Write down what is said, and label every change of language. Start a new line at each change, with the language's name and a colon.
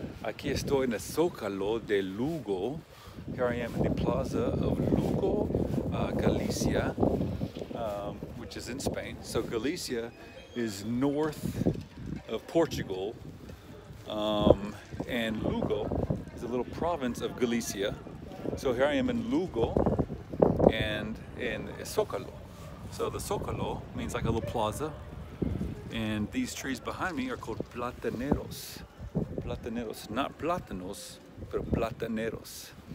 Spanish: Aquí estoy en el Zócalo de Lugo.
English: Here I am in the plaza of Lugo, Galicia, which is in Spain. So Galicia is north of Portugal, and Lugo is a little province of Galicia. So here I am in Lugo and in Zócalo. So the Zócalo means like a little plaza. And these trees behind me are called plataneros.
Spanish: Plataneros,
English: not
Spanish: plátanos, pero plataneros.